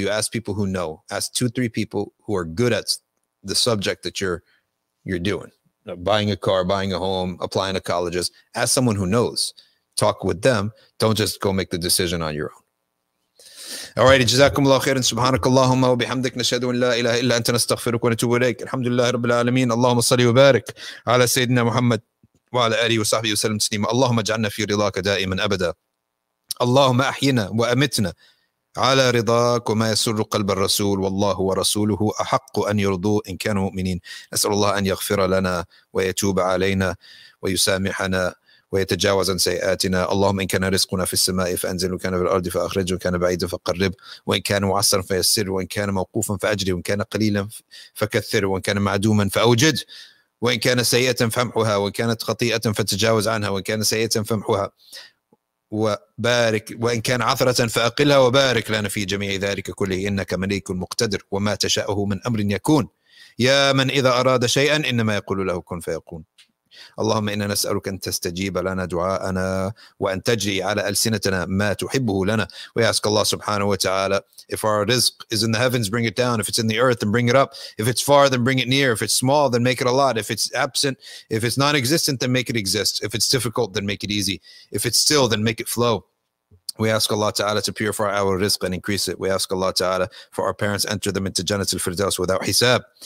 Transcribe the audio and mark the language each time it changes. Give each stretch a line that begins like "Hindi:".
English: You ask people who know, ask 2-3 people who are good at the subject that you're doing, you know, buying a car, buying a home, applying to colleges, ask someone who knows, talk with them. Don't just go make the decision on your own. All right.
Arabic: جزاكم الله خيرا سبحانك اللهم وبحمدك نشهد أن لا إله إلا أنت نستغفرك ونتوب إليك الحمد لله رب العالمين اللهم صل وبارك على سيدنا محمد وعلى آله وصحبه وسلم تسليما اللهم اجعلنا في رضاك دائما أبدا اللهم أحينا وأمتنا على رضاك وما يسر قلب الرسول والله ورسوله أحق أن يرضوا إن كانوا مؤمنين نسأل الله أن يغفر لنا ويتوب علينا ويسامحنا ويتجاوز عن سيئاتنا اللهم إن كان رزقنا في السماء فأنزل وإن كان في الأرض فأخرج وإن كان بعيدا فقرب وإن كان معسرا فيسر وإن كان موقوفا فأجري وإن كان قليلا فكثر وإن كان معدوما فأوجد وإن كان سيئة فامحها وإن كانت خطيئة فتجاوز عنها وإن كان سيئة فامحها وبارك وإن كان عثرة فأقلها وبارك لنا في جميع ذلك كله إنك مليك مقتدر وما تشاءه من أمر يكون يا من إذا أراد شيئا إنما يقول له كن فيكون. اللهم إنا نسألك أن تستجيب لنا دعاءنا وأن تجري على ألسنتنا ما تحبه لنا.
English: We ask Allah subhanahu wa ta'ala, if our rizq is in the heavens, bring it down. If it's in the earth, then bring it up. If it's far, then bring it near. If it's small, then make it a lot. If it's absent, if it's non-existent, then make it exist. If it's difficult, then make it easy. If it's still, then make it flow. We ask Allah Ta'ala to purify our rizq and increase it. We ask Allah Ta'ala for our parents, enter them into Jannat al-Firdaus without hisab.